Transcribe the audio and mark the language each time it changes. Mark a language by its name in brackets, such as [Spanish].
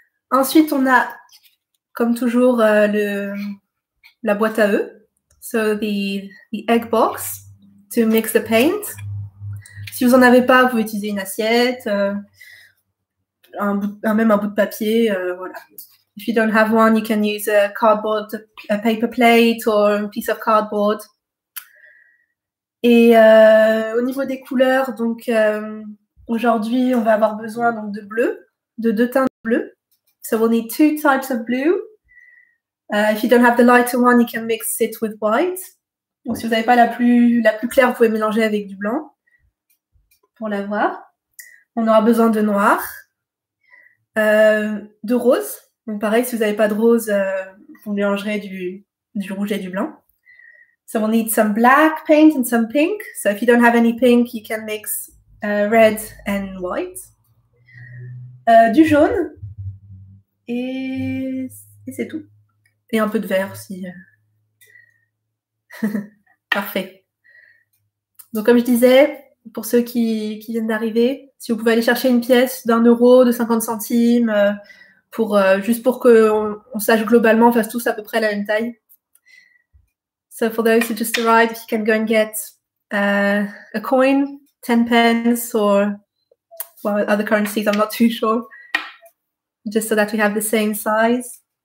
[French] Ensuite, on a, comme toujours, la boîte à œufs, [English] so the egg box to mix the paint. [French] Si vous n'en avez pas, vous pouvez utiliser une assiette, même un bout de papier, voilà. [English] If you don't have one, you can use a cardboard, a paper plate or a piece of cardboard. [French] Et au niveau des couleurs, donc aujourd'hui, on va avoir besoin donc, de bleu, de deux teintes de bleu. [English] So we'll need two types of blue. If you don't have the lighter one, you can mix it with white. [French] Donc si vous n'avez pas la plus claire, vous pouvez mélanger avec du blanc. Pour l'avoir, on aura besoin de noir, de rose. Donc pareil, si vous n'avez pas de rose, vous mélangerez du rouge et du blanc. [English] So we'll need some black paint and some pink. So if you don't have any pink, you can mix red and white. [French] Du jaune. Et c'est tout. Et un peu de vert aussi. Parfait. Donc, comme je disais, pour ceux qui viennent d'arriver, si vous pouvez aller chercher une pièce d'un euro, de 50 centimes, juste pour qu'on sache globalement, on fasse tous à peu près la même taille. [English] So, for those who just arrived, if you can go and get a coin, 10 pence, or well, other currencies, I'm not too sure. Just so that we have the same size.